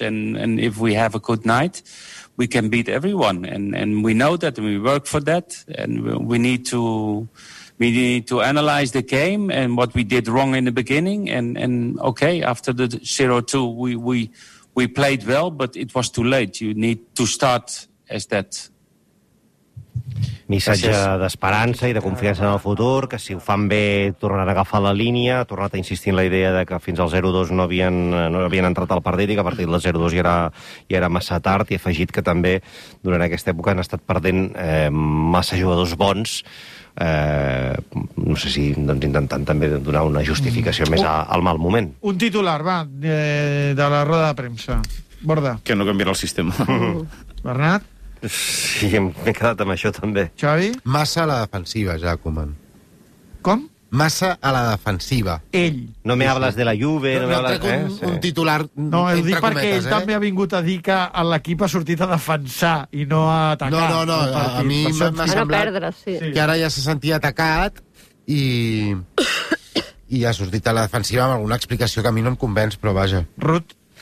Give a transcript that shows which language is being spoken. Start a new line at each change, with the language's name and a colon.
English: And if we have a good night, we can beat everyone, and we know that, and we work for that, and we need to analyze the game and what we did wrong in the beginning, and okay, after the 0-2 we played well, but it was too late. You need to start as that.
Catalan: Missatge d'esperança i de confiança en el futur, que si ho fan bé tornarà a agafar la línia, ha tornat a insistir en la idea de que fins al 0-2 no havien entrat al partit i que a partir del 0-2 ja era massa tard, i ha afegit que també durant aquesta època han estat perdent massa jugadors bons, no sé si doncs, intentant també donar una justificació més al mal moment. Un titular, va, de la roda de premsa. Borda. Que no canviarà el sistema. Bernat? Sí, m'he quedat amb això també. Xavi? Massa a la defensiva, ja, Koeman. Com? Massa a la defensiva. Ell.
Spanish: No me hables de la Juve, no me hables...
Catalan: Un titular, no, entre No, perquè ell també ha vingut a dir que l'equip ha sortit a defensar i no a atacar. No, a mi m'ha semblat... No perdre, sí. Que ara ja se sentia atacat i ha sortit a la defensiva amb alguna explicació que a mi no em convenç, però vaja. Ruth?